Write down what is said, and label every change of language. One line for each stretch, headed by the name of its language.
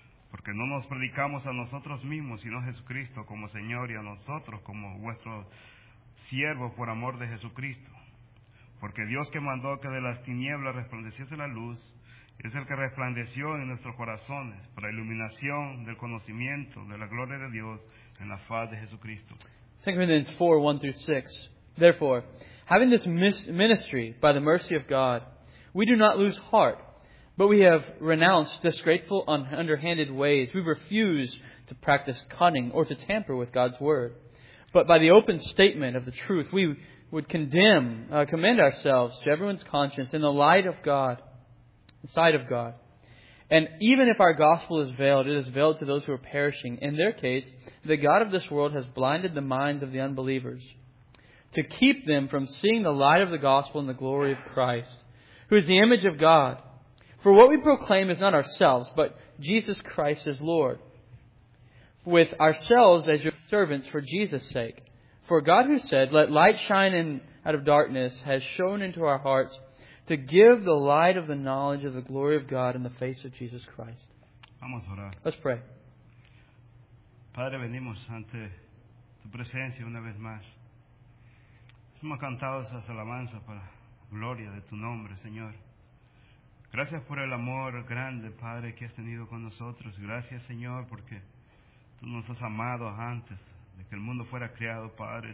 Spanish: Porque no nos predicamos a nosotros mismos, sino a Jesucristo como Señor y a nosotros como vuestros siervos por amor de Jesucristo. Porque Dios que mandó que de las tinieblas resplandeciese la luz, es el que resplandeció en nuestros corazones para iluminación del conocimiento de la gloria de Dios en la faz de Jesucristo.
English: 2 Corinthians 4, 1 through 6. Therefore, having this ministry by the mercy of God, we do not lose heart, but we have renounced disgraceful underhanded ways. We refuse to practice cunning or to tamper with God's word. But by the open statement of the truth, we would commend ourselves to everyone's conscience in the light of God, the sight of God. And even if our gospel is veiled, it is veiled to those who are perishing. In their case, the God of this world has blinded the minds of the unbelievers to keep them from seeing the light of the gospel and the glory of Christ, who is the image of God. For what we proclaim is not ourselves, but Jesus Christ as Lord, with ourselves as your servants for Jesus' sake. For God who said, "Let light shine in out of darkness," has shone into our hearts to give the light of the knowledge of the glory of God in the face of Jesus Christ.
Spanish: Vamos a orar.
English: Let's pray.
Spanish: Padre, venimos ante tu presencia una vez más. Hemos cantado esas alabanzas para gloria de tu nombre, Señor. Gracias por el amor grande, Padre, que has tenido con nosotros. Gracias, Señor, porque tú nos has amado antes de que el mundo fuera creado, Padre.